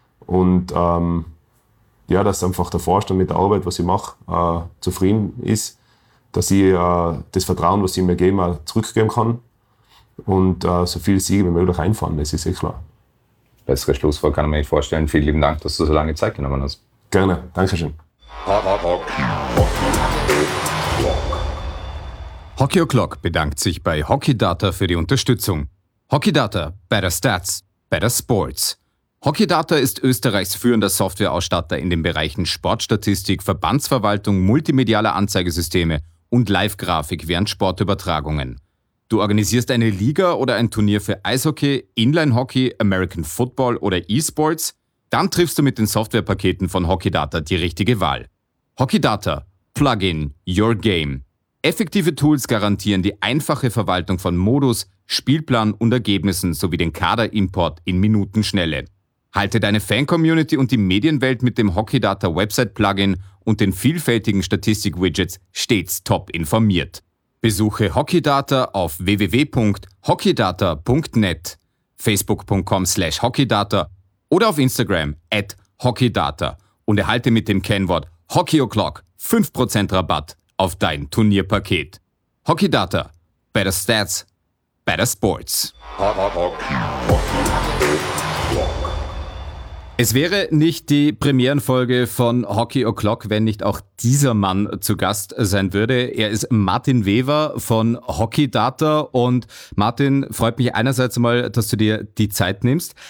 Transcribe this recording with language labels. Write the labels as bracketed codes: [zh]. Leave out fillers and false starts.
[de] Und ja, dass einfach der Vorstand mit der Arbeit, was ich mache, zufrieden ist, dass ich das Vertrauen, was sie mir geben, auch zurückgeben kann und so viele Siege wie möglich einfahren, das ist eh klar. Besseres Schlusswort kann ich mir nicht vorstellen. Vielen lieben Dank, dass du so lange Zeit genommen hast. Gerne, Dankeschön. Hockey O'Clock bedankt sich bei Hockey Data für die Unterstützung. [en] Hockey Data, better stats, better sports. [de] Hockeydata ist Österreichs führender Softwareausstatter in den Bereichen Sportstatistik, Verbandsverwaltung, multimediale Anzeigesysteme und Live-Grafik während Sportübertragungen. Du organisierst eine Liga oder ein Turnier für Eishockey, Inline-Hockey, American Football oder E-Sports? Dann triffst du mit den Softwarepaketen von Hockeydata die richtige Wahl. Hockeydata. Plug in your game. Effektive Tools garantieren die einfache Verwaltung von Modus, Spielplan und Ergebnissen sowie den Kaderimport in Minutenschnelle. Halte deine Fan-Community und die Medienwelt mit dem Hockeydata-Website-Plugin und den vielfältigen Statistik-Widgets stets top informiert. Besuche Hockeydata auf www.hockeydata.net, facebook.com/hockeydata oder auf Instagram @hockeydata und erhalte mit dem Kennwort HockeyO'Clock 5% Rabatt auf dein Turnierpaket. [en] Hockeydata, better stats, better sports. [de] Es wäre nicht die Premierenfolge von Hockey O'Clock, wenn nicht auch dieser Mann zu Gast sein würde. Er ist Martin Wever von Hockey Data. Und Martin, freut mich einerseits mal, dass du dir die Zeit nimmst.